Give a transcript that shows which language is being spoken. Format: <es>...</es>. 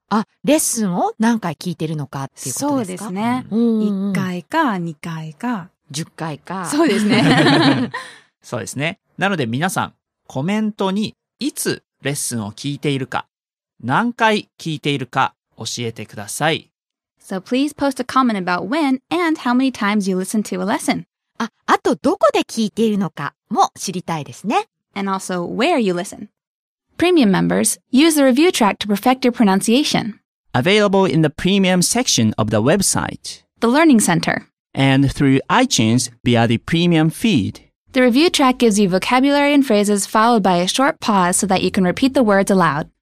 <ja>あ、レッスンを何回聞いているのかっていうことですか。そうですね、うんうん、1回か2回か 10回か。そうですねそうですね。なので皆さんコメントにいつレッスンを聞いているか何回聞いているか教えてください。</ja> <en>So please post a comment about when and how many times you listen to a lesson.</en> <ja>あ、あとどこで聞いているのかも知りたいですね。</ja> <en>And also where you listen. Premium members, use the review track to perfect your pronunciation. Available in the premium section of the website. The Learning Center. And through iTunes via the premium feed. The review track gives you vocabulary and phrases followed by a short pause so that you can repeat the words aloud.</en>